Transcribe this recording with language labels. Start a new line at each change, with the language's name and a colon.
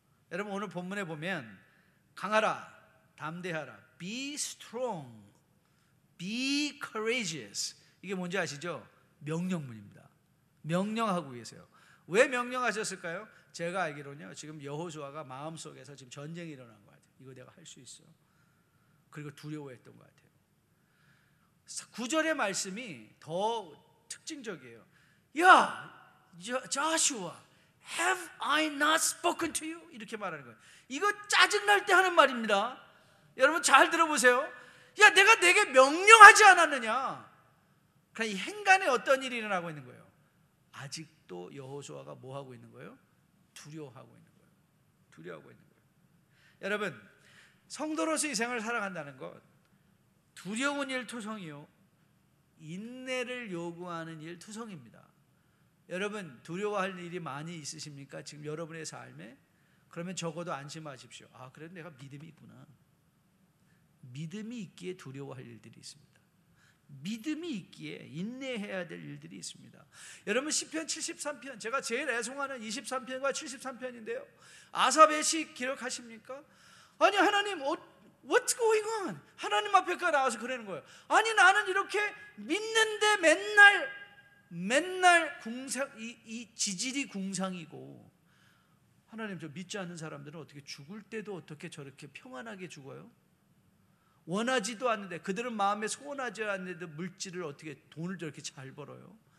Korean: 여러분 오늘 본문에 보면 강하라, 담대하라,
English: be strong, be courageous,
Korean: 이게 뭔지 아시죠? 명령문입니다. 명령하고 계세요. 왜 명령하셨을까요? 제가 알기로는요, 지금 여호수아가 마음속에서 지금 전쟁이 일어난 것 같아요. 이거 내가 할 수 있어, 그리고 두려워했던 것 같아요. 9절의 말씀이 더 특징적이에요.
English: 야, Joshua, have I not spoken to you?
Korean: 이렇게 말하는 거예요. 이거 짜증날 때 하는 말입니다. 여러분 잘 들어보세요. 야, 내가 내게 명령하지 않았느냐. 그냥 이 행간에 어떤 일이 일어나고 있는 거예요. 아직도 여호수아가 뭐 하고 있는 거예요? 두려워하고 있는 거예요. 두려워하고 있는 거예요. 여러분, 성도로서 이 생을 살아간다는 것, 두려운 일 투성이요, 인내를 요구하는 일 투성입니다. 여러분 두려워할 일이 많이 있으십니까? 지금 여러분의 삶에? 그러면 적어도 안심하십시오. 아, 그래도 내가 믿음이 있구나. 믿음이 있기에 두려워할 일들이 있습니다. 믿음이 있기에 인내해야 될 일들이 있습니다. 여러분 시편 73편, 제가 제일 애송하는 23편과 73편인데요, 아삽의 시 기억하십니까? 아니 하나님,
English: what's going on?
Korean: 하나님 앞에까지 나와서 그러는 거예요. 아니 나는 이렇게 믿는데 맨날 궁상, 이 지질이 궁상이고, 하나님 저 믿지 않는 사람들은 어떻게 죽을 때도 어떻게 저렇게 평안하게 죽어요? 원하지도 않는데, 그들은 마음에 소원하지 않는데 물질을 어떻게 돈을 저렇게 잘 벌어요?